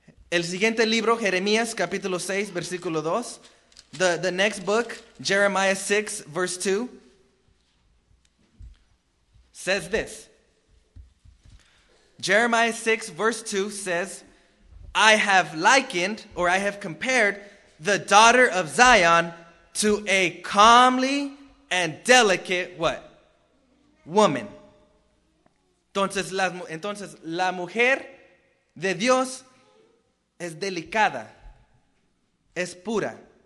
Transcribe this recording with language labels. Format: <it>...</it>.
<es>El siguiente libro, Jeremías, capítulo 6, versículo 2.</es> <en>The next book, Jeremiah 6, verse 2, says this. Jeremiah 6, verse 2 says, "I have likened," or "I have compared the daughter of Zion to a comely and delicate," what? "Woman."</en> <es>Entonces, la mujer de Dios es delicada, es pura.</es>